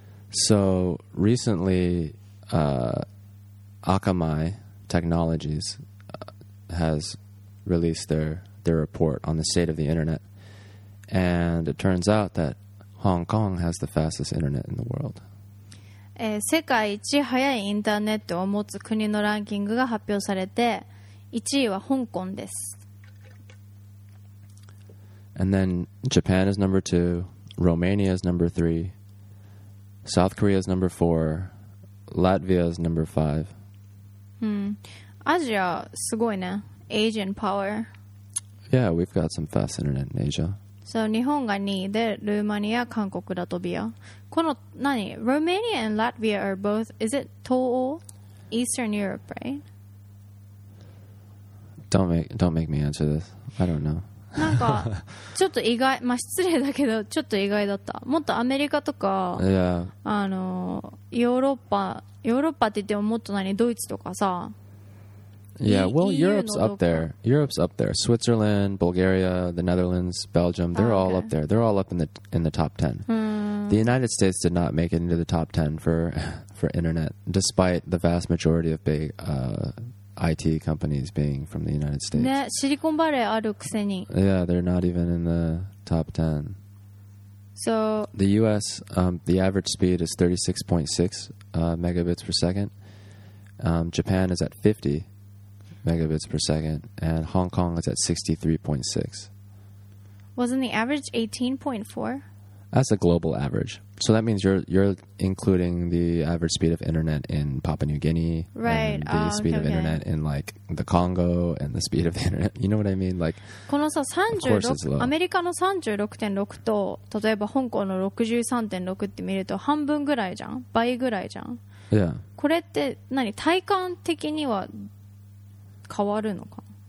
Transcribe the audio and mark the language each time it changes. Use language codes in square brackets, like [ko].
[en] So recently, Akamai Technologies has released their report on the state of the internet, and it turns out that Hong Kong has the fastest internet in the world. [ja] 世界一早いインターネットを持つ国のランキングが発表されて、1位は香港です。 [en] And then Japan is number 2, Romania is number 3, South Korea is number 4, Latvia is number 5. [ja] アジアすごいね。 [en] Asian power. Yeah, we've got some fast internet in Asia. [ja] So, 日本が2位で、ルーマニア、韓国、ラトビア。この、何? [en] Romania and Latvia are both, is it 東欧? Eastern Europe, right? Don't make me answer this. I don't know. [ja] なんか、ちょっと意外、まあ失礼だけど、ちょっと意外だった。もっとアメリカとか、 [en] yeah. [ja] あの、ヨーロッパって言ってももっと何?ドイツとかさ。 [en] Yeah, well, Europe's up there. Europe's up there. Switzerland, Bulgaria, the Netherlands, Belgium, they're all up there. They're all up in the top 10. Hmm. The United States did not make it into the top 10 for internet, despite the vast majority of big IT companies being from the United States. [ja] Silicon Valley ある くせに. [en] Yeah, they're not even in the top 10. So the US, the average speed is 36.6 megabits per second. Japan is at 50 megabits per second, and Hong Kong is at 63.6. Wasn't the average 18.4? That's a global average. So that means you're including the average speed of internet in Papua New Guinea, right? And the speed of internet in like the Congo, and the speed of the internet. You know what I mean? Like, [ja] このさ、36、アメリカの 36.6 と例えば香港の 63.6 って見ると半分ぐらいじゃん、倍ぐらいじゃん。 [en] Yeah. [ja] これって何、体感的には変わるのか。